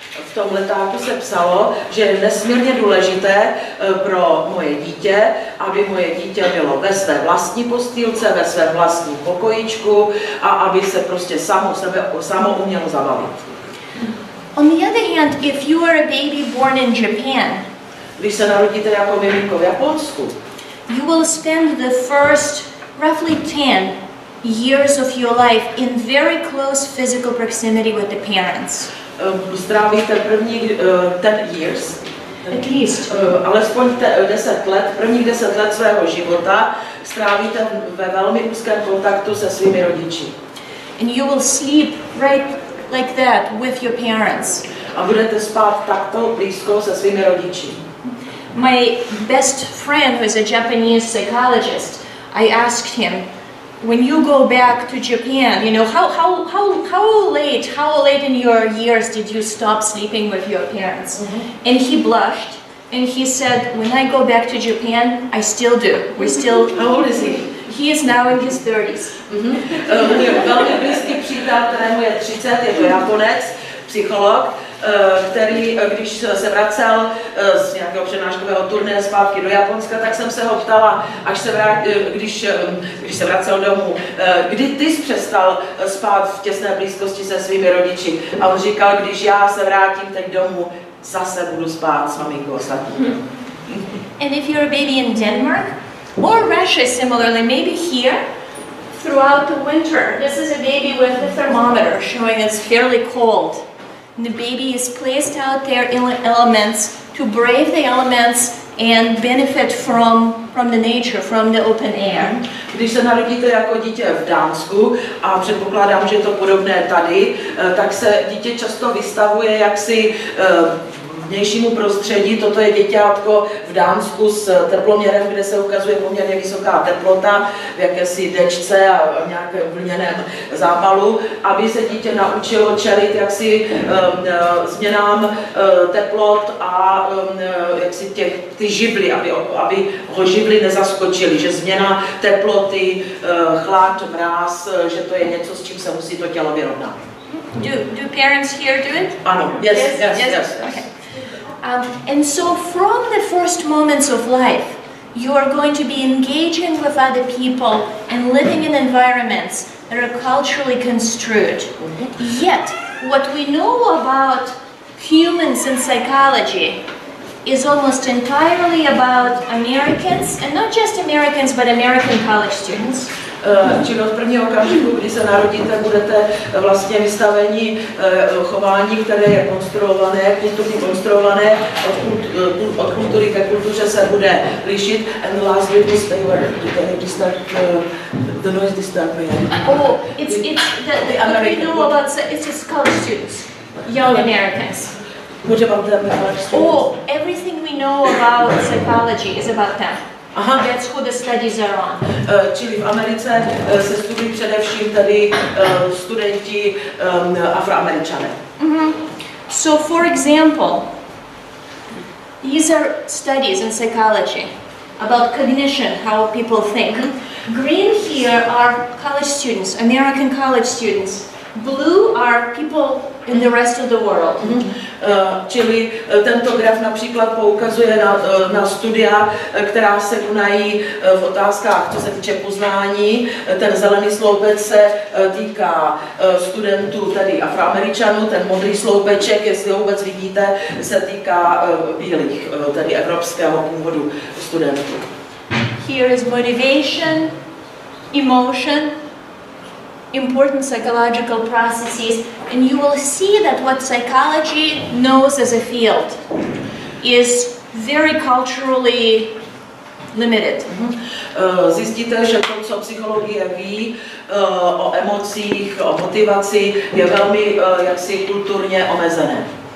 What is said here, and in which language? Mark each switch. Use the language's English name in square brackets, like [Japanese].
[Czech] v tom letáku se psalo, že je nesmírně důležité pro moje dítě, aby moje dítě bylo ve své vlastní postýlce, ve své vlastní pokojičku a aby se prostě samo umělo zabavit. [English] On the other hand, if you are a baby born in Japan, [Czech] když se narodíte jako miminko v Japonsku, [English] you will spend the first roughly 10 years of your life in very close physical proximity with the parents. [Czech] Strávíte první 10 years, [English] at least. [Czech] Alespoň 10 let, prvních 10 let svého života strávíte ve velmi úzkém kontaktu se svými rodiči. [English] And you will sleep right like that with your parents. [Czech] A budete spát takto blízko se svými rodiči. [English] My best friend, who is a Japanese psychologist, I asked him, when you go back to Japan, you know, how late in your years did you stop sleeping with your parents? Mm-hmm. And he blushed, and he said, when I go back to Japan, I still do. We still. How old is he? He is now in his 30s. [Czech] Můj velmi blízký přítel, kterému je 30, je to Japonec, psycholog, který, když se vracel z nějakého přednáškového turné zpátky do Japonska, tak jsem se ho ptala, když se vracel domů, kdy ty jsi přestal spát v těsné blízkosti se svými rodiči. A on říkal, když já se vrátím teď domů, zase budu spát s maminkou ostatní. [English] And if you're a baby in Denmark, or Russia similarly, maybe here, throughout the winter, this is a baby with a thermometer showing it's fairly cold. And the baby is placed out there in elements to brave the elements and benefit from the nature, from the open air. [Czech] Když se narodíte jako dítě v Dánsku, a předpokládám, že je to podobné tady, tak se dítě často vystavuje jaksi vnějšímu prostředí. Toto je děťátko v Dánsku s teploměrem, kde se ukazuje poměrně vysoká teplota v jakési dečce a v nějakém vlněném zápalu, aby se dítě naučilo čelit jaksi změnám teplot a jaksi ty živly, aby ho živly nezaskočily, že změna teploty, chlad, mráz, že to je něco, s čím se musí to tělo vyrovnat. [English] Do parents here do it? [Czech] Ano, yes. [English] Okay. And so from the first moments of life, you are going to be engaging with other people and living in environments that are culturally construed. Yet, what we know about humans and psychology is almost entirely about Americans, and not just Americans, but American college students. [Czech] Čili od prvního okamžiku, kdy se narodíte, budete vlastně vystaveni chování, které je konstruované, kulturně konstruované, od kultury ke kultuře se bude lišit. [English] And lastly, this thing where you can distract, the noise distract me. Oh, it's college students, young Americans. Would you call them college students? Oh, everything we know about psychology is about them. Aha, that's who the studies are on. [Czech] Čili v Americe se studují především tady studenti Afroameričané. Mm-hmm. [English] So for example, these are studies in psychology about cognition, how people think. Green here are college students, American college students. Blue are people in the rest of the world. [Czech] Čili tento graf například poukazuje na studia, která se konají v otázkách, co se týče poznání. Ten zelený sloupec se týká studentů tady Afroameričanů, ten modrý sloupeček, jestli ho vůbec vidíte, se týká bílých, tedy evropského původu studentů. [English] Here is motivation, emotion, important psychological processes, and you will see that what psychology knows as a field is very culturally limited. [Czech] Zjistíte, že to, co psychologie ví o emocích, o motivaci, je velmi jaksi kulturně omezené.